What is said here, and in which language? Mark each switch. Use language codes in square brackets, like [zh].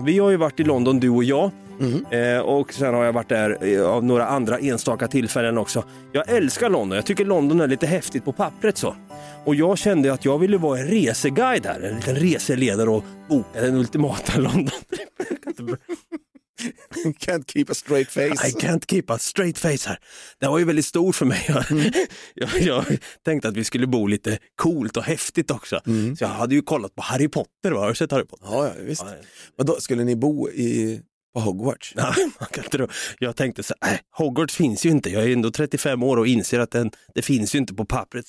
[sv] Vi har ju varit i London, du och jag. Och sen har jag varit där av några andra enstaka tillfällen också. Jag älskar London, jag tycker London är lite häftigt på pappret så. Och jag kände att jag ville vara en reseguide här, en liten reseledare och boka den ultimata London. [en] Can't keep a straight face. I can't keep a straight face [sv] här. Det var ju väldigt stort för mig. Jag tänkte att vi skulle bo lite coolt och häftigt också. Så jag hade ju kollat på Harry Potter, va? Har du sett Harry Potter? Ja, visst. Men då skulle ni bo i... på Hogwarts? Jag tänkte så här, Hogwarts finns ju inte. Jag är ändå 35 år och inser att det finns ju inte på pappret.